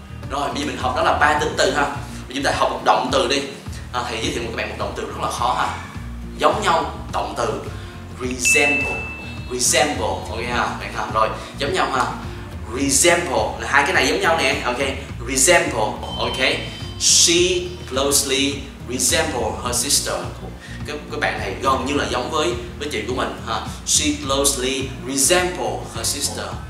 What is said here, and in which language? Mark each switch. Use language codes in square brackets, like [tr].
[vi] Rồi, bây giờ mình học đó là ba tính từ ha. Bây giờ chúng ta học một động từ đi. Thầy giới thiệu với các bạn một động từ rất là khó ha. Giống nhau, động từ resemble. Resemble, ok ha, bạn học rồi. Giống nhau ha. Resemble, là hai cái này giống nhau nè. Ok, resemble, ok. [en] She closely resemble her sister. [vi] Các bạn này gần như là giống với chị của mình ha. [en] She closely resemble her sister.